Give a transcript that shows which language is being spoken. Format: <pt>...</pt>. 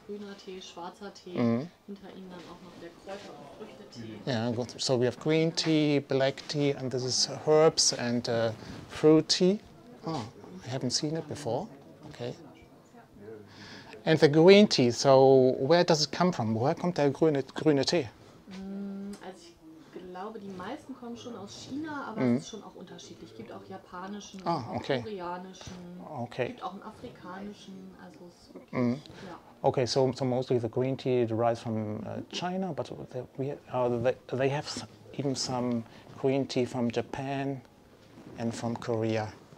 <de>Grüner Tee, schwarzer Tee, hinter Ihnen dann auch noch der Kräuter- und Früchtetee. Ja, gut.</de> <en>So we have green tea, black tea, and this is herbs and fruit tea. Oh, I haven't seen it before. Okay. And the green tea, so where does it come from?</en> <de>Woher kommt der grüne Tee? Also ich glaube, glaube, die meisten kommen schon aus China, aber es ist schon auch unterschiedlich. Es gibt auch japanischen, auch koreanischen, es gibt auch einen afrikanischen. Also es gibt,</de> <en>Okay, so mostly the green tea derives from China, but they have even some green tea from Japan and from Korea.</en>